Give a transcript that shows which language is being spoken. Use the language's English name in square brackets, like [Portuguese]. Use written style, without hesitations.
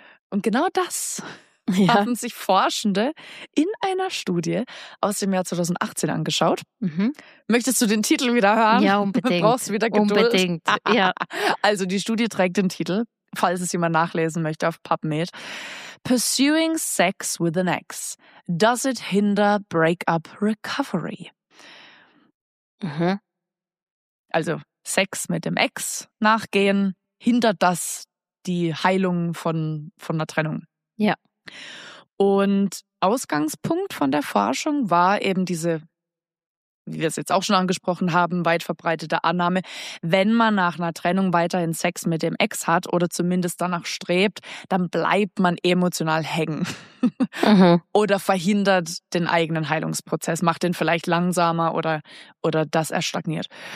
[German] Und genau das haben sich Forschende in einer Studie aus dem Jahr 2018 angeschaut. Mhm. Möchtest du den Titel wieder hören? Ja, unbedingt. Brauchst du wieder Geduld? Unbedingt, ja. Also die Studie trägt den Titel, falls es jemand nachlesen möchte, auf PubMed. [English] Pursuing Sex with an Ex. Does it hinder breakup recovery? Mhm. [German] Also Sex mit dem Ex nachgehen, hindert das die Heilung von der Trennung? Ja. Und Ausgangspunkt von der Forschung war eben diese, wie wir es jetzt auch schon angesprochen haben, weit verbreitete Annahme, wenn man nach einer Trennung weiterhin Sex mit dem Ex hat oder zumindest danach strebt, dann bleibt man emotional hängen oder verhindert den eigenen Heilungsprozess, macht den vielleicht langsamer oder dass er stagniert.